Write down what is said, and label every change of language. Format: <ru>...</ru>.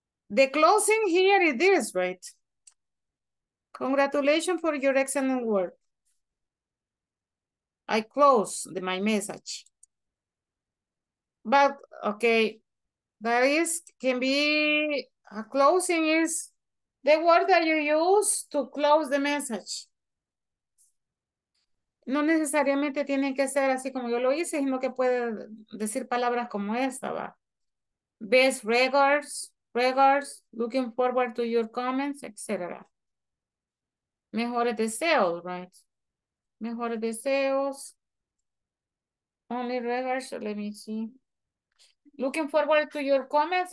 <en>The closing here is this, right? Congratulations for your excellent work. I close the, my message. But, okay, that is, can be, a closing is the word that you use to close the message.</en> <es>No necesariamente tienen que ser así como yo lo hice, sino que puede decir palabras como esta, va.</es> <en>Best regards, regards, looking forward to your comments, etc.</en> <es>Mejores deseos, right? Mejores deseos.</es> <en>Only regards, let me see. Looking forward to your comments.</en>